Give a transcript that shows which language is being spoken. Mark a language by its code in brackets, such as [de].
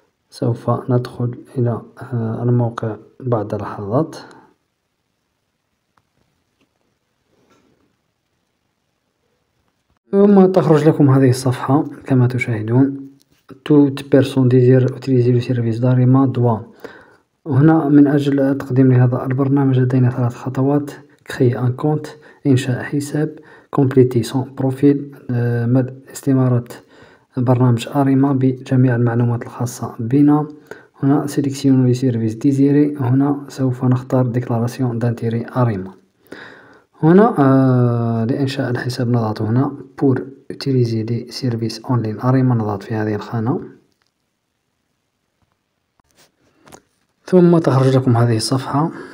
[ar] سوف ندخل إلى الموقع بعد لحظات. ثم تخرج لكم هذه الصفحة كما تشاهدون. [fr] Toute personne désire utiliser le service d'Arima doit. [ar] هنا من أجل التقديم لهذا البرنامج لدينا ثلاث خطوات: [fr] Créer un compte، [ar] إنشاء حساب، [fr] Compléter son profil، [ar] مد استمارة برنامج أريما بجميع المعلومات الخاصة بنا. [fr] هنا Sélection le service désiré، [ar] هنا سوف نختار [fr] Déclaration d'intérêt أريما. [ar] هنا لإنشاء الحساب نضغط هنا [fr] Pour utiliser le service en ligne [ar] أريما، نضغط في هذه الخانة. ثم تخرج لكم هذه الصفحة.